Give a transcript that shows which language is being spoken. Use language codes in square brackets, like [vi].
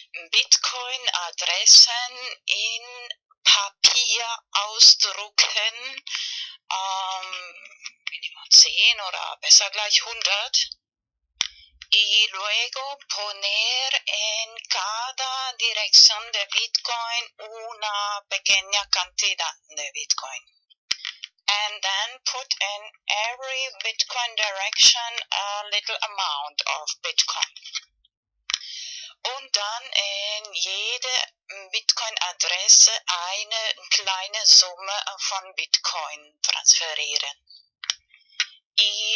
[de] Bitcoin Adressen in Papier ausdrucken, minimum 10 oder besser gleich 100. [es] Y luego poner en cada dirección de Bitcoin una pequeña cantidad de Bitcoin. [en] And then put in every Bitcoin direction a little amount of Bitcoin. [de] Und dann in jede Bitcoin-Adresse eine kleine Summe von Bitcoin transferieren. [es] Y